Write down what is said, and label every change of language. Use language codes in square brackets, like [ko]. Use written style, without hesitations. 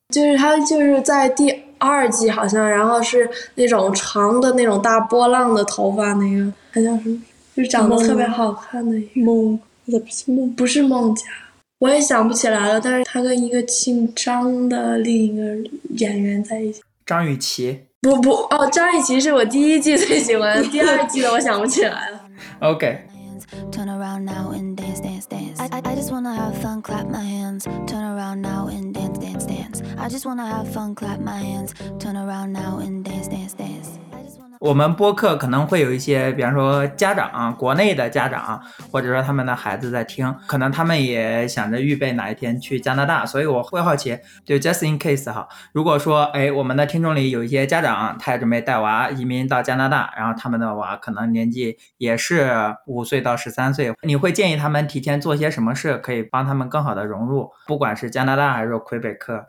[zh] 就是他，就是在第2季好像，然后是那种长的那种大波浪的头发，那个他叫什么，就是长得特别好看的孟，不是孟，不是孟佳，我也想不起来了，但是他跟一个姓张的另一个演员在一起，张雨绮，不哦，张雨绮是我第1季最喜欢，第2季的我想不起来了。 [en] OK turn around now and dance dance dance I just wanna have fun clap my hands turn around now and dance dance dance I just wanna have fun clap my hands turn around now and dance dance dance。 [zh] 我们播客可能会有一些比方说家长、啊、国内的家长、啊、或者说他们的孩子在听，可能他们也想着预备哪一天去加拿大，所以我会好奇，就 [en] just in case [zh] 哈，如果说哎，我们的听众里有一些家长他也准备带娃移民到加拿大，然后他们的娃可能年纪也是5岁到13岁，你会建议他们提前做些什么事可以帮他们更好的融入，不管是加拿大还是魁北克？